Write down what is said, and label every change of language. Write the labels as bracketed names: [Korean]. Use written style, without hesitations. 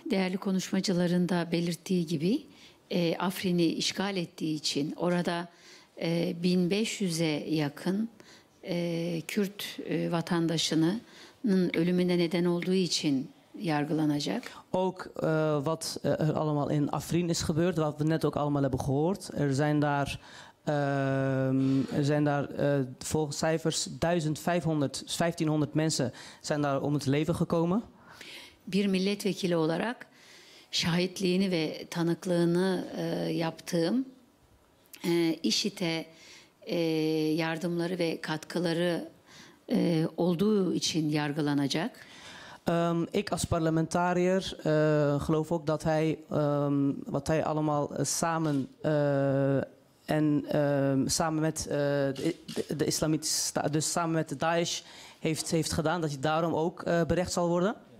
[Turkish] Değerli konuşmacıların da belirttiği gibi Afrin'i işgal ettiği için orada 1500'e yakın Kürt vatandaşının ölümüne neden olduğu için yargılanacak. [Dutch] Ook wat er allemaal in Afrin is gebeurd, wat we net ook allemaal hebben gehoord. Er zijn daar volgens cijfers 1500 mensen zijn daar om het leven gekomen. [Turkish] Bir milletvekili olarak şahitliğini ve tanıklığını yaptığım IŞİD'e yardımları ve katkıları olduğu için yargılanacak. [Dutch] Ik als parlementariër geloof ook dat hij wat hij allemaal samen en samen met de islamitische dus samen met de Daesh heeft gedaan dat hij daarom ook berecht zal worden.